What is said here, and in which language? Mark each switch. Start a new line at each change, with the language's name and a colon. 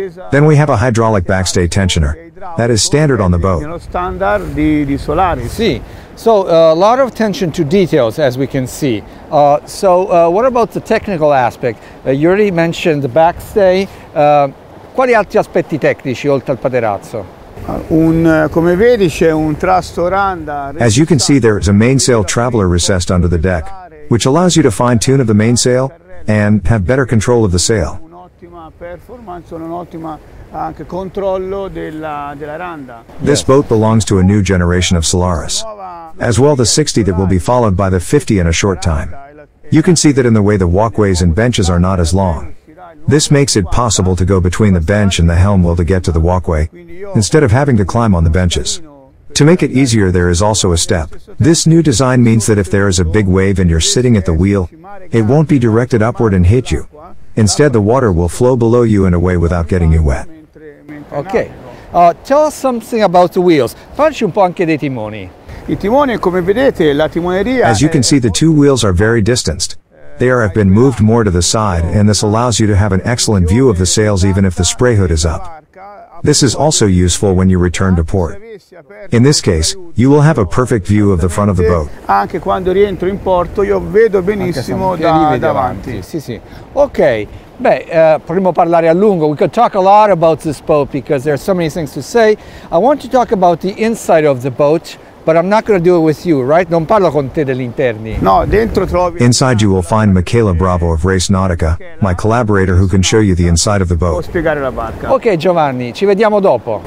English: Then we have a hydraulic backstay tensioner. That is standard on the boat.
Italian: Standard di Solaris. Sì.
English: So a lot of attention to details, as we can see. So what about the technical aspect? You already mentioned the backstay.
Italian: Quali altri aspetti tecnici oltre al paterazzo? Come vedi c'è un trasto radar.
English: As you can see, there is a mainsail traveler recessed under the deck, which allows you to fine tune of the mainsail and have better control of the sail.
Italian: Un'ottima performance, un'ottima anche controllo della randa.
English: This boat belongs to a new generation of Solaris, as well the 60 that will be followed by the 50 in a short time. You can see that in the way the walkways and benches are not as long. This makes it possible to go between the bench and the helm well to get to the walkway, instead of having to climb on the benches. To make it easier, there is also a step. This new design means that if there is a big wave and you're sitting at the wheel, it won't be directed upward and hit you. Instead, the water will flow below you in a way without getting you wet. Okay. Tell us something about the wheels.
Italian: Facci un po' anche dei timoni. I timoni, come vedete, la timoneria.
English: As you can see, the two wheels are very distanced. They have been moved more to the side, and this allows you to have an excellent view of the sails even if the spray hood is up. This is also useful when you return to port. In this case, you will have a perfect view of the front of the boat.
Italian: Anche quando rientro in porto, io vedo benissimo da davanti. Sì, sì. Okay. Beh, prima parlare a lungo,
English: we could talk a lot about this boat because there are so many things to say. I want to talk about the inside of the boat, but I'm not going to do it with you, right?
Italian: Non parlo con te degli interni. No, dentro trovi.
English: Inside you will find Michaela Bravo of Race Nautica, my collaborator who can show you the inside of the boat.
Italian: Posso spiegare la barca. Okay, Giovanni, ci vediamo dopo.